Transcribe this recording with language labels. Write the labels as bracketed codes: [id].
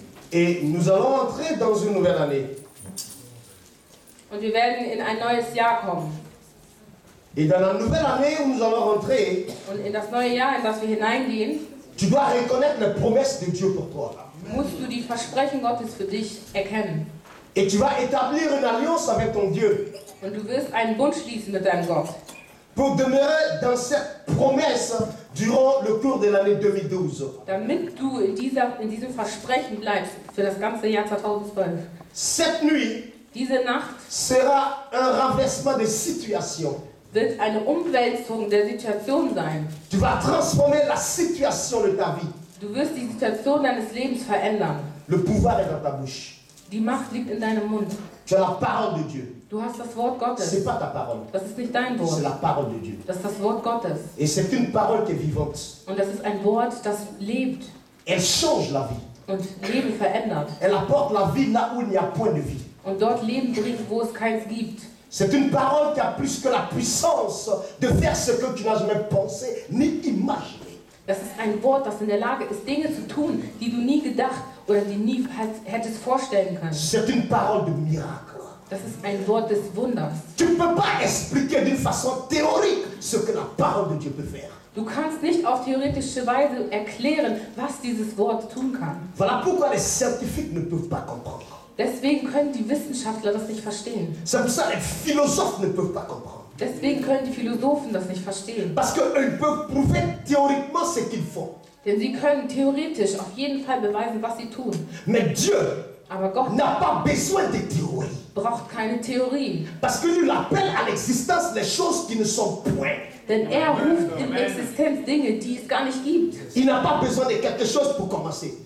[fr] Et nous allons entrer dans une nouvelle année. [de] Und wir werden in ein neues Jahr kommen. [fr] Et dans la nouvelle année où nous allons rentrer, [de] und in das neue Jahr, in das wir hineingehen, [fr] tu dois reconnaître les promesses de Dieu pour toi. [de] Musst du die Versprechen Gottes für dich erkennen. [fr] Et tu vas établir une alliance avec ton Dieu. [de] Und du wirst einen Bund schließen mit deinem Gott. [fr] Pour demeurer dans cette promesse durant le cours de l'année 2012. [de] Damit du in diesem Versprechen bleibst für das ganze Jahr 2012. [fr] Cette nuit, [de] diese Nacht, [fr] sera un renversement de situation. [de] Wird eine Umwälzung der Situation sein. [fr] Tu vas transformer la situation de ta vie. [de] Du wirst die Situation deines Lebens verändern. [fr] Le pouvoir est dans ta bouche. [de] Die Macht liegt in deinem Mund. [fr] Tu as la parole de Dieu. [de] Du hast das Wort Gottes. [fr] C'est pas ta parole. [de] Das ist nicht dein Wort. [fr] C'est la parole de Dieu. [de] Das ist das Wort Gottes. [fr] Et c'est une parole qui est vivante. [de] Und das ist ein Wort, das lebt. [fr] Elle change la vie. [de] Und Leben verändert. [fr] Elle apporte la vie là où il n'y a point de vie. [de] Und dort Leben bringt, wo es keins gibt. [fr] C'est une parole qui a plus que la puissance de faire ce que tu n'as jamais pensé ni imaginé. [de] Das ist ein Wort, das in der Lage ist, Dinge zu tun, die du nie gedacht oder die nie hättest vorstellen können. [fr] C'est une parole de miracle. [de] Das ist ein Wort des Wunders. [fr] Tu ne peux pas expliquer d'une façon théorique ce que la parole de Dieu peut faire. [de] Du kannst nicht auf theoretische Weise erklären, was dieses Wort tun kann. [fr] Voilà pourquoi les scientifiques ne peuvent pas comprendre. [de] Deswegen können die Wissenschaftler das nicht verstehen. [fr] C'est pour ça que les philosophes ne peuvent pas comprendre. [de] Deswegen können die Philosophen das nicht verstehen. [fr] Parce qu'ils peuvent prouver théoriquement ce qu'ils font. [de] Denn sie können theoretisch auf jeden Fall beweisen, was sie tun. [fr] Mais Dieu, [de] aber Gott [fr] n'a pas besoin de théorie. [de] Braucht keine Theorie. [fr] Parce que lui appelle à l'existence les choses qui ne sont point. [de] Denn er ruft in Existenz Dinge, die es gar nicht gibt. [fr] Il n'a pas besoin de quelque chose pour commencer.